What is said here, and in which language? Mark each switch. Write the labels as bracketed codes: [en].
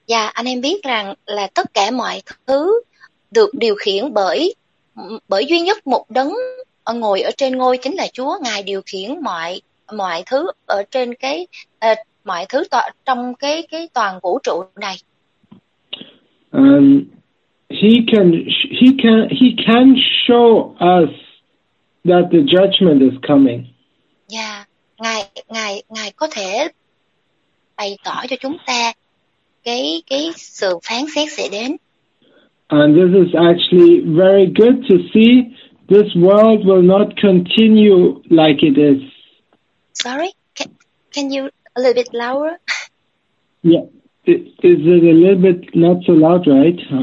[vi] Anh em biết rằng là tất cả mọi thứ được điều khiển bởi duy nhất một đấng ngồi ở trên ngôi, chính là Chúa. Ngài điều khiển mọi thứ ở trên mọi thứ trong cái toàn vũ trụ này. [en] He can show us that the judgment is coming. [vi] Yeah, ngài có thể bày tỏ cho chúng ta cái sự phán xét sẽ đến. [en] And this is actually very good to see. This world will not continue like it is. Sorry, can you a little bit louder? Yeah, is it a little bit not so loud, right?